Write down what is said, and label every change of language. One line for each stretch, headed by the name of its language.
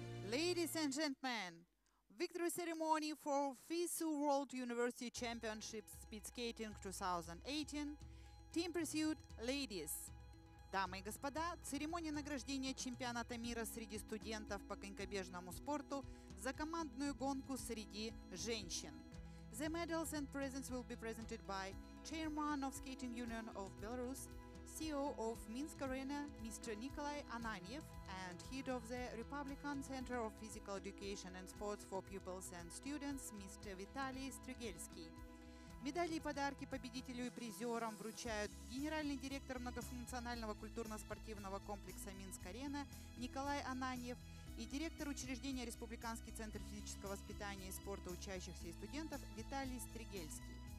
English: Ladies and gentlemen, victory ceremony for FISU World University Championships Speed Skating 2018, Team Pursuit Ladies.
Russian: Дамы и господа, церемония награждения чемпионата мира среди студентов по конькобежному спорту за командную гонку среди женщин.
English: The medals and presents will be presented by Chairman of Skating Union of Belarus, CEO of Minsk Arena, Mr. Nikolai Ananyev, and head of the Republican Center of Physical Education and Sports for Pupils and Students, Mr. Vitaly Strigelsky.
Russian: Медали и подарки победителю и призерам вручают генеральный директор многофункционального культурно-спортивного комплекса Минск-Арена Николай Ананьев и директор учреждения Республиканский центр физического воспитания и спорта учащихся и студентов Виталий Стригельский.